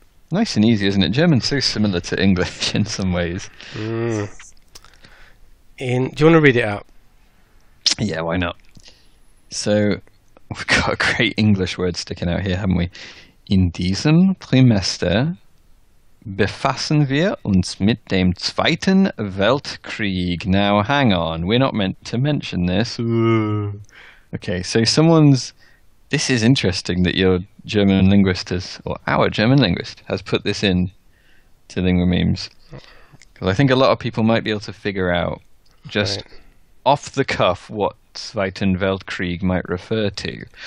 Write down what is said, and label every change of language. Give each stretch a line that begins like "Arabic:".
English: Nice and easy, isn't it? German's so similar to English in some ways. Do you want to read it out? Yeah, why not? So, we've got a great English word sticking out here, haven't we?
German: In diesem Trimester befassen wir uns mit dem Zweiten Weltkrieg.
English: Now, hang on. We're not meant to mention this. Okay, so someone's... This is interesting that your German linguist has, or our German linguist, has put this in to Lingua Memes. Because I think a lot of people might be able to figure out just right off the cuff what Zweiten Weltkrieg might refer to.